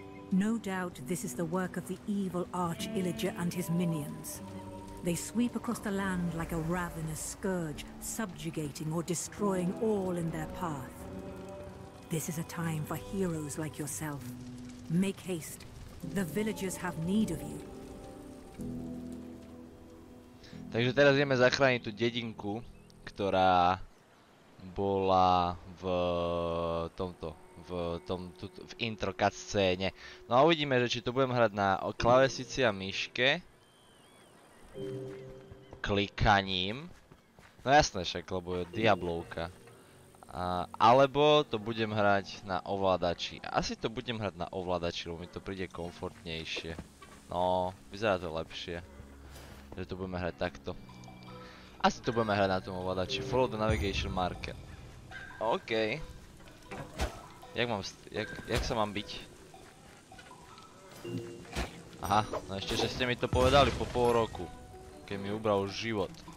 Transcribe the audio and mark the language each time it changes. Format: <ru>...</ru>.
<en>No doubt this is the work of the evil Arch-Illager and his minions. They sweep across the land like a ravenous scourge, subjugating or destroying all in their path. This is a time for heroes like yourself. Make haste. The villagers have need of you.</en> <sk>Takže teraz ideme zachrániť tú dedinku, ktorá bola v tomto, v intro cutscéne. No a uvidíme, že či to budem hrať na klavesici a myške. Klikaním. No jasné, však, lebo je diablovka. Alebo to budem hrať na ovládači. Asi to budem hrať na ovládači, lebo mi to príde komfortnejšie. No, vyzerá to lepšie, že to budeme hrať takto. Asi to budeme hrať na tom ovládači.</sk> <en>Follow the navigation marker. OK.</en> <sk>Jak sa mám byť? Aha, no ešte, že ste mi to povedali po pol roku. Keď mi ubral život.</sk>